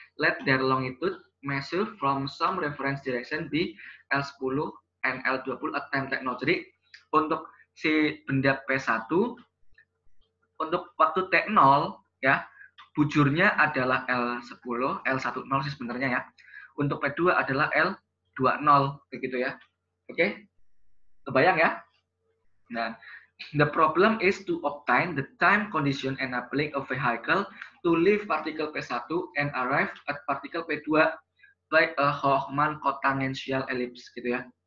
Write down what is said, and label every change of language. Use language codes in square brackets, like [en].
[en] Let their longitude measure from some reference direction di L10 and L20 at time t0. [id] Jadi untuk si benda P1 untuk waktu t0 ya, bujurnya adalah L10, L10 sih sebenarnya ya. Untuk P2 adalah L20 begitu ya. Oke. Kebayang ya? [en] Nah, the problem is to obtain the time condition enabling a vehicle to leave particle P1 and arrive at particle P2 by a Hoffman cotangential ellipse [id] gitu ya.